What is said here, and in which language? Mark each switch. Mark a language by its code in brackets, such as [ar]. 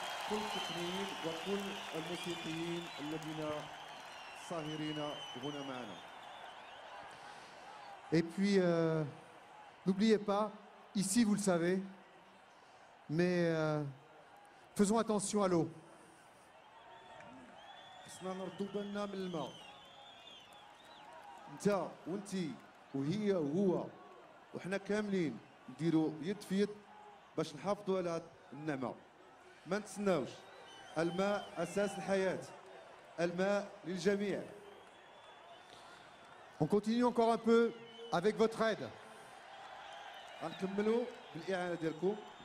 [ar] كل التقنيين وكل الموسيقيين الذين ساهرين هنا معنا. [fr] Et puis n'oubliez pas, ici vous le savez, mais faisons attention à l'eau. [ar] خصنا نردو بالنا من الماء. انت وانت وهي وهو وحنا كاملين نديروا يد في يد باش نحافظوا على النعمة. ما نتسناوش. الماء أساس الحياة. الماء للجميع. [fr] On continue encore un peu avec votre aide. [ar] غنكملوا بالإعانة ديالكم.